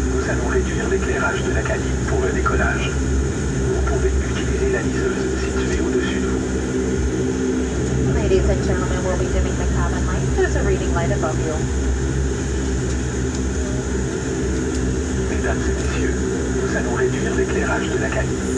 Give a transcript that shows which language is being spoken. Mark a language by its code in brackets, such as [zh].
[fr] allons réduire l'éclairage de la cabine pour le décollage. Vous pouvez utiliser la liseuse située au-dessus de vous. [en] Ladies and gentlemen, we'll be dimming the cabin light. There's a reading light above you. [fr] Mesdames et messieurs, nous allons réduire l'éclairage de la cabine.